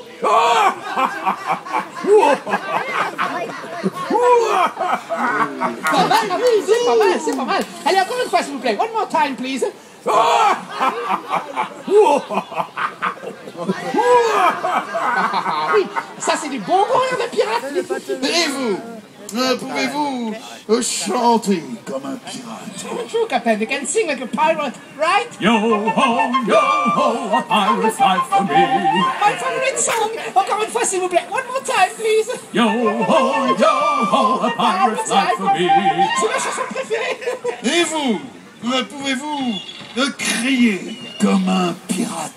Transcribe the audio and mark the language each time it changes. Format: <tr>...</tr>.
<fr>Pas mal, oui, c'est pas mal, c'est pas mal. Allez, encore une fois, s'il vous plaît.</fr> <en>One more time, please.</en> <fr>Oui, ça, c'est du bon rire de pirate. Et vous? Pouvez-vous chanter comme un pirate?</fr> <en>True, Captain, you can sing like a pirate, right? Yo ho, yo ho, a pirate's life for me. My favorite song,</en> <fr>encore une fois, s'il vous plaît,</fr> <en>one more time, please. Yo ho, yo ho, a pirate's life for me.</en> <fr>C'est ma chanson préférée. Et vous, pouvez-vous crier comme un pirate?</fr>